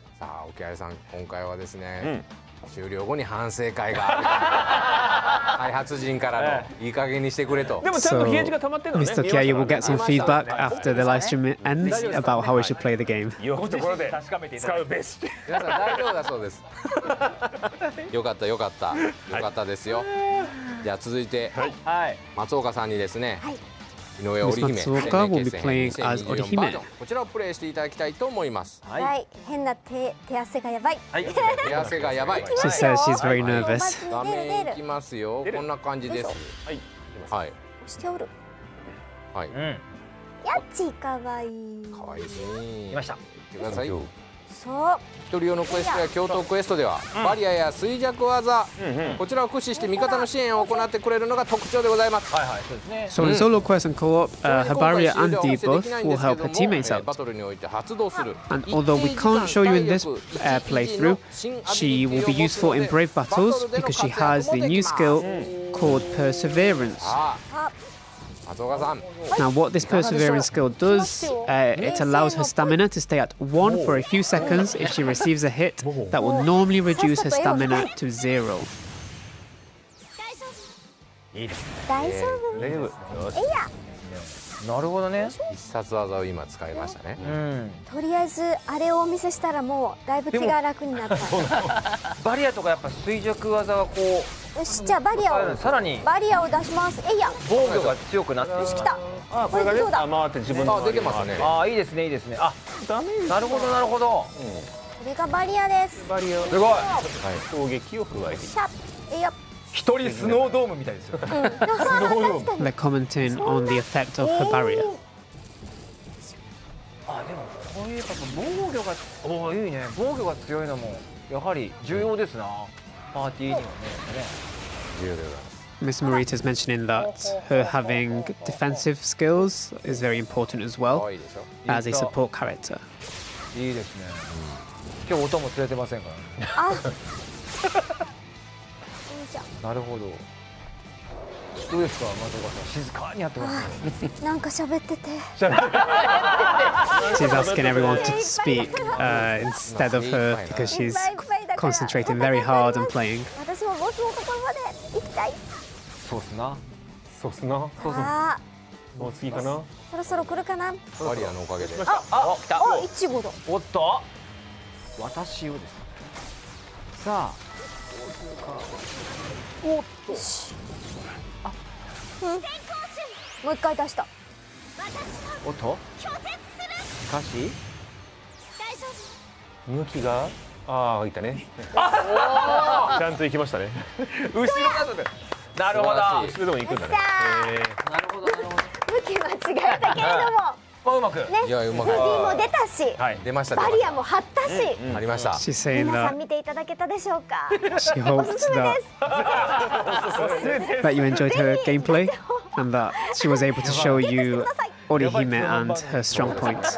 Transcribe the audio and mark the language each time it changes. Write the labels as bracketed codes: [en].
[ja] さあ、沖合さん、今回はですね、うん、終了後に反省会がある。開発陣からのいい加減にしてくれと。でもちゃんと冷え地が溜まってるのね。 [en] Mr. Kia, you will get some feedback after the live stream ends about how we should play the game. [ja] よくところで確かめていただいて。使うベース。皆さん、大丈夫だそうです。よかった、よかった。よかったですよ。じゃあ、続いて、はい、松岡さんにですね、はい、井上織姫、 [en] 松岡will be playing as 織姫。 [ja] こちらをプレイしていただきたいと思います。はい。はい、変な手汗がやばい。はい、手汗がやばい。 [en] She says she's very nervous。 [ja] 画面いきますよ。こんな感じです。はい。はい。押しておる。はい。うん。やっち、かわいい。かわいいね。来ました。行ってください。そう。一人用のクエストや共闘クエストでは、うん、バリアや衰弱技、うんうん、こちらを駆使して味方の支援を行ってくれるのが特徴でございます。はいはい、そうですね。 [en] So in solo quest and co-op, Habaria and debuff will help her teammates out. [ja] バトルにおいて発動する。 [en] And although we can't show you in this playthrough, she will be useful in brave battles because she has the new skill called Perseverance. [ja] 松岡さん。 [en] Now what this perseverance skill does, it allows her stamina to stay at 1 for a few seconds if she receives a hit that will normally reduce her stamina to 0. [ja] いいですね。大丈夫。大丈夫。よし。いや。なるほどね。必殺技を今使いましたね。うん。とりあえずあれをお見せしたらもうだいぶ気が楽になった。そうバリアとかやっぱ垂直技はこう。よし、じゃあバリアをさらにバリアを出します。えいや、防御が強くなってよし、来た。あ、これがね、これどうだ、回って自分の周りに回る。あ、いいですね、いいですね。あ、ダメージ。なるほど、なるほど、うん、これがバリアです。バリアすごい、はい、攻撃を加えて、シャッ、えいや、一人スノードームみたいですよ。スノードーム。確かに。 [en] Let's comment in on the effect of her barrier。 [ja] あ、でもこういうやっぱ防御が、おー、いいね、防御が強いのもやはり重要ですな、うん、 [en] Miss Morita is mentioning that her having defensive skills is very important as well as a support character. [ja] いいですね。今日音も連れてませんから。あ、なるほど。どうですか、松岡さん。静かにやってますね。なんか喋ってて。 [en] She's asking everyone to speak instead of her because she's concentrating very hard and playing. [ja] 私もボスのところまで行きたい。そうすな。そうすな。そうすな。もう次かな。そろそろ来るかな。バリアのおかげで。あ、来た。あ、イチゴだ。おっと。私をです。さあ。おっと。もう一回出した。おっと。しかし向きが、ああ、いったね。ちゃんと行きましたね。後ろなので。なるほど。後ろでも行くんだね。なるほど。向き間違えたけれども。うまく、ね、ボディも出たし、はい、出ましたバリアも張ったし、うん、ありました。皆さん見ていただけたでしょうか。 [en] She hopes [ja] おすすめです。 [en] That you enjoyed her gameplay and that she was able to show you Orihime and her strong points.